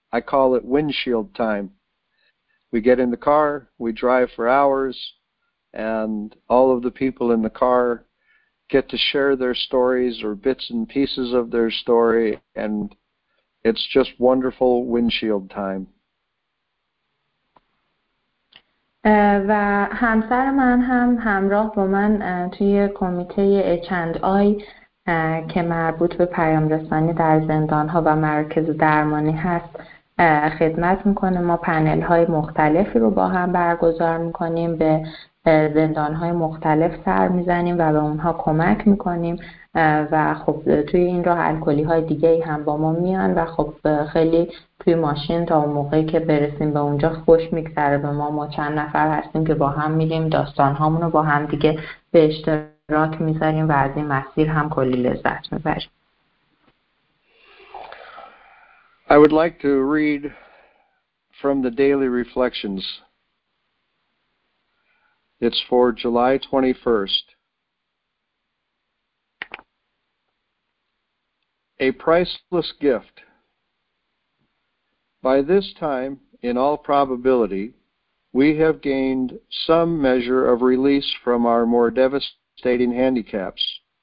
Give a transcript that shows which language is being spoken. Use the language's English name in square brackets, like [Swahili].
[English] I call it windshield time. We get in the car, we drive for hours, and all of the people in the car get to share their stories or bits and pieces of their story, and it's just wonderful windshield time. [Persian] و همسر من هم همراه با من توی کمیته H&I که مربوط به پیام رسانی در زندان ها و مرکز درمانی هست خدمت میکنه. ما پنل های مختلفی رو با هم برگزار میکنیم، به زندان های مختلف سر میزنیم و به اونها کمک میکنیم و خب توی این راه الکلی های دیگه هم با ما میان و خب خیلی توی ماشین تا اون موقعی که برسیم به اونجا خوش میگذره به ما. ما چند نفر هستیم که با هم میریم، داستان هامون رو با هم دیگه به اشتراک میذاریم و از این مسیر هم کلی لذت میبریم. [English] I would like to read from the daily reflections. It's for July 21st. A priceless gift. By this time, in all probability, we have gained some measure of release from our more devastating handicaps.